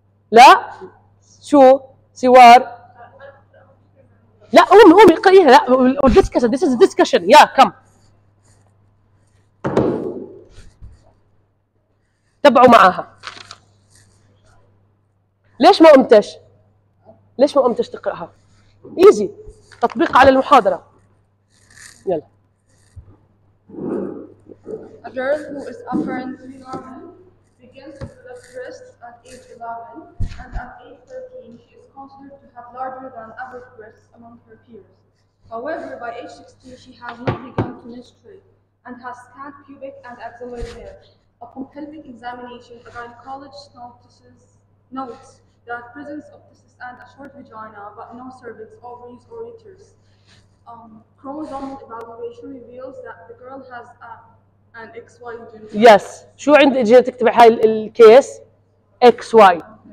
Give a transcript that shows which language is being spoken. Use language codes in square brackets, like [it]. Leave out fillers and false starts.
[ar] لا؟ شو؟ سوار؟ لا قومي قومي اقرايها، لا والديسكشن، [en] this is discussion, [ar] يا كم تبعوا معاها. ليش ما قمتش؟ ليش ما قمتش تقراها؟ ايزي تطبيق على المحاضره. يلا. [en] A girl who is apparently normal begins to develop breasts at age 11 and at age 13 she is considered to have larger than average breasts among her peers. However, by age 16 she has not begun to menstruate and has scant pubic and axillary hair. Upon pelvic examination, a gynecologist notes the presence of testes and a short vagina, but no cervix, ovaries, or uterus. Chromosomal evaluation reveals that the girl has an XY gene. Yes. [ar] شو عند جيناتك تبع هاي الكيس؟ XY.